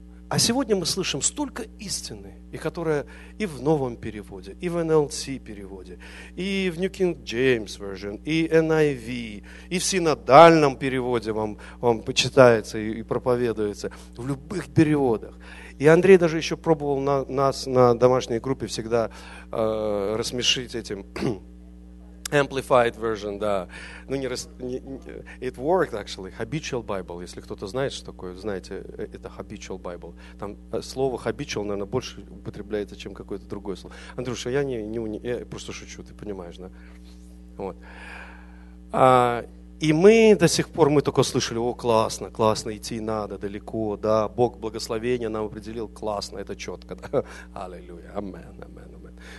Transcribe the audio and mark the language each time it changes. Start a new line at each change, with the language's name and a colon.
Russian: А сегодня мы слышим столько истины, и которая и в новом переводе, и в NLT переводе, и в New King James Version, и NIV, и в синодальном переводе вам почитается и проповедуется, в любых переводах. И Андрей даже еще пробовал нас на домашней группе всегда рассмешить этим Amplified Version, да.
English: Ну, it worked, actually.
Russian: Habitual Bible, если кто-то знает, что такое, знаете, это Habitual Bible. Там слово Habitual, наверное, больше употребляется, чем какое-то другое слово. Андрюша, я не просто шучу, ты понимаешь, да? Вот. И мы до сих пор, мы только слышали, о, классно, классно, идти надо далеко, да, Бог благословение нам определил, классно, это четко, да, аллилуйя, амен, амен, амен.